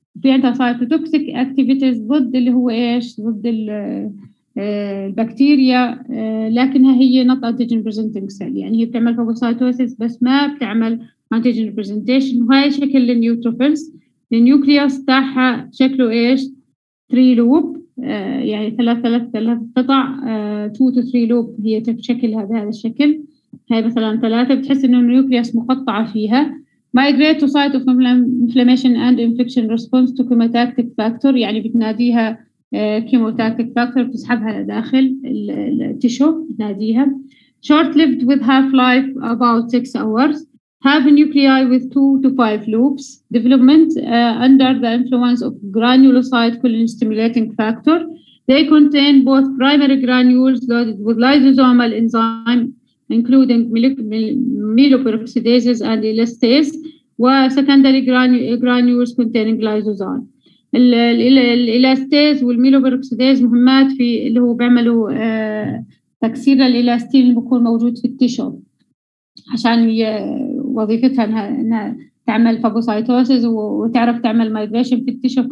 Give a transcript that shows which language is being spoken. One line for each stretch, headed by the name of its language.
Arabic: في عندها سايتوتوكسيك اكتيفيتيز ضد اللي هو ايش، ضد البكتيريا، لكنها هي نوت انتيجين بريزنتنج سيل، يعني هي بتعمل فاجوسايتوسيس بس ما بتعمل انتيجين بريزنتيشن. وهي شكل النيوتروفيلز، النيوكليوس تاعها شكله ايش، 3 لوب، يعني 3 قطع، 2 تو 3 لوب هي شكلها بهذا الشكل. هاي مثلا 3 بتحس انه النيوكليوس مقطعه فيها.
English: Migrate to site of inflammation and infection response to chemotactic factor،
Arabic: يعني بتناديها
English: chemotactic factor،
Arabic: بتسحبها لداخل التشو بتناديها.
English: Short lived with half life about 6 hours. Have nuclei with 2 to 5 loops. Development under the influence of granulocyte colony stimulating factor. They contain both primary granules loaded with lysosomal enzyme, including myeloperoxidases and elastase, وsecondary granules containing lysosome.
Arabic: الإلاستيز والميلوبروكسيديز مهمات في اللي هو بيعملوا تكسير الإلاستين اللي بيكون موجود في التيشو، عشان وظيفتها انها تعمل فاجوسايتوسيس وتعرف تعمل مايجريشن في التيشو.